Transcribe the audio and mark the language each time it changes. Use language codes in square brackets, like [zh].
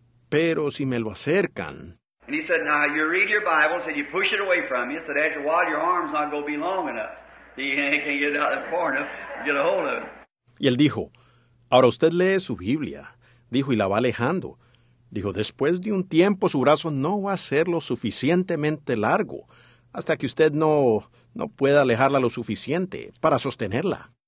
[es] Pero si me lo acercan. [en] And he said, now you read your Bible, said you push it away from you, said after a while your arm's not going to be long enough. You can't get it out of far enough to get a hold of it. [es] Y él dijo, ahora usted lee su Biblia. Dijo, y la va alejando. Dijo, después de un tiempo su brazo no va a ser lo suficientemente largo hasta que usted no pueda alejarla lo suficiente para sostenerla.